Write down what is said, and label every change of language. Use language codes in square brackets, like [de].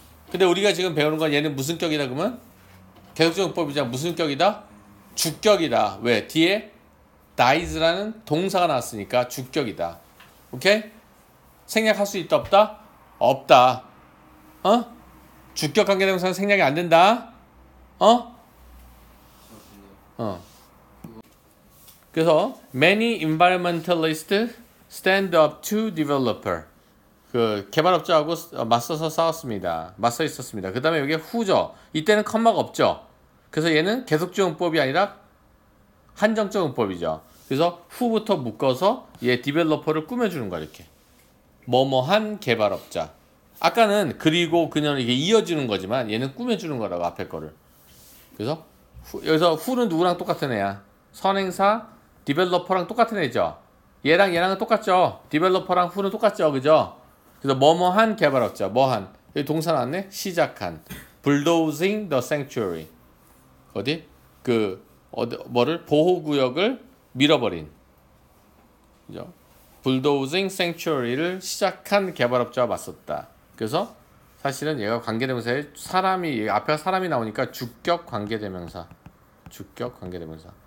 [ko] 근데 우리가 지금 배우는 건 얘는 무슨 격이다 그러면? 계속적 법이자 무슨 격이다? 주격이다. 왜? 뒤에 dies라는 동사가 나왔으니까 주격이다. 오케이? 생략할 수 있다 없다? 없다. 어? 주격 관계대명사는 생략이 안 된다. 어? 어. 그래서 [en] many environmentalists stand up to developer. [ko] 그 개발업자하고 맞서서 싸웠습니다. 맞서 있었습니다. 그 다음에 여기 후죠. 이때는 컴마가 없죠. 그래서 얘는 계속적용법이 아니라 한정적용법이죠. 그래서 후부터 묶어서 얘 디벨로퍼를 꾸며주는 거야 이렇게. 뭐뭐한 개발업자. 아까는 그리고 그녀는 이게 이어지는 거지만 얘는 꾸며주는 거라고 앞에 거를. 그래서 여기서 후는 누구랑 똑같은 애야? 선행사 디벨로퍼랑 똑같은 애죠. 얘랑 얘랑은 똑같죠. 디벨로퍼랑 후는 똑같죠, 그죠? 그래서 뭐뭐한 개발업자. 뭐한 여기 동사 나왔네. 시작한. [en] Bulldozing the sanctuary. [ko] 어디? 그 어디 뭐를 보호 구역을 밀어버린. 그죠? [en] Bulldozing sanctuary [ko] 를 시작한 개발업자와 맞섰다. 그래서 사실은 얘가 관계대명사에 사람이 앞에 사람이 나오니까 주격 관계대명사. 주격 관계대명사.